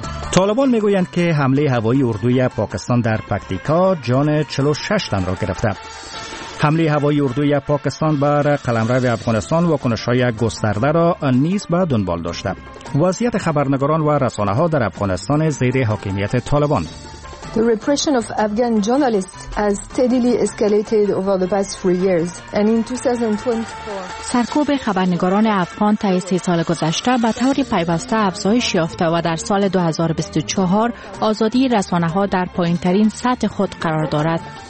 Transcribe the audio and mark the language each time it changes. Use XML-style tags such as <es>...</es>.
<fa>طالبان می گویند که حمله هوایی اردوی پاکستان در پکتیکا جان 46 تن را گرفته. حمله هوایی اردوی پاکستان بر قلمرو افغانستان واکنش‌های گسترده را نیز به دنبال داشته. وضعیت خبرنگاران و رسانه‌ها در افغانستان زیر حاکمیت طالبان.</fa> <en>The repression of Afghan journalists has steadily escalated over the past 3 years, and in 2024.</en> <fa>سرکوب خبرنگاران افغان طی 3 سال گذشته به طور پیوسته افزایش یافته و در سال 2024 آزادی رسانه‌ها در پایین‌ترین سطح خود قرار دارد.</fa>